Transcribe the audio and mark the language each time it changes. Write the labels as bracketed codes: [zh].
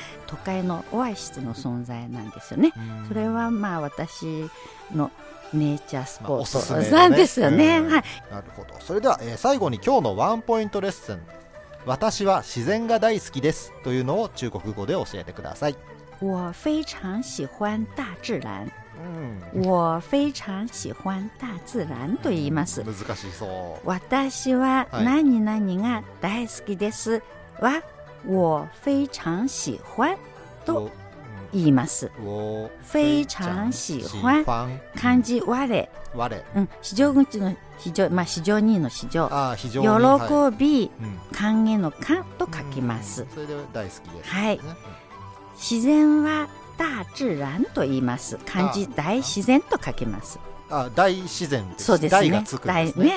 [ja] 都会のオアシスの存在なんですよね、うん、それはまあ私のネイチャースポーツ、まあ、おすすめなんですよね、はい、なるほど。それでは、最後に今日のワンポイントレッスン、私は自然が大好きですというのを中国語で教えてください。 [zh] 我非常喜欢大自然、うん、我非常喜欢大自然 [ja] と言います、うん、難しそう。私は何々が大好きですは、 [zh] 我非常喜欢 [ja] と言います。 [zh] 我非常喜欢、 [ja] うん、漢字我れ、我れ、うん、非常口の非常、まあ、非常にの非常、あ、非常に、喜び、はい、歓迎の歓と書きます、うん、それで大好きです、はい、うん、自然は大自然と言います。漢字大自然と書きます。あ、大自然です。そうですね、大がつくんですね、